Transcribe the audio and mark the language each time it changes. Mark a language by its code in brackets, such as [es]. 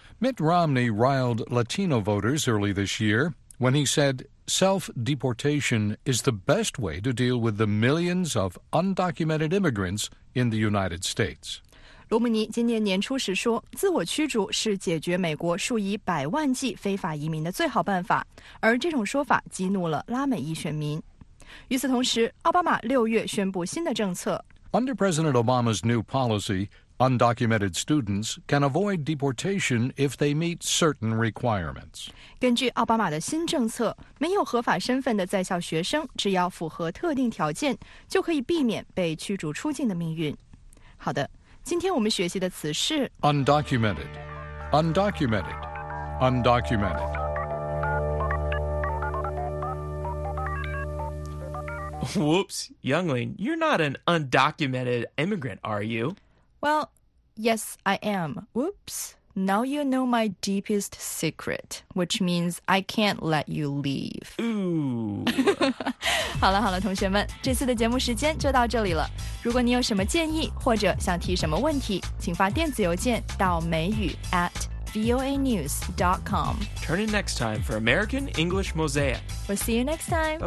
[en] Mitt Romney riled Latino voters early this year when he said self-deportation is the best way to deal with the millions of undocumented immigrants in the United States. [zh] 罗姆尼今年年初时说，自我驱逐是解决美国数以百万计非法移民的最好办法，而这种说法激怒了拉美裔选民。与此同时，奥巴马六月宣布新的政策。 [en] Under President Obama's new policy, undocumented students can avoid deportation if they meet certain requirements. [zh] 根据奥巴马的新政策，没有合法身份的在校学生只要符合特定条件，就可以避免被驱逐出境的命运。好的，今天我们学习的词是 [en] undocumented, undocumented, undocumented. Whoops, Younglin, you're not an undocumented immigrant, are you? Well, yes, I am. Whoops, now you know my deepest secret, which means I can't let you leave. Ooh. [zh] 好了好了，同学们，这次的节目时间就到这里了。如果你有什么建议或者想提什么问题，请发电子邮件到美语 @voanews.com. [en] Turn in next time for American English Mosaic. We'll see you next time.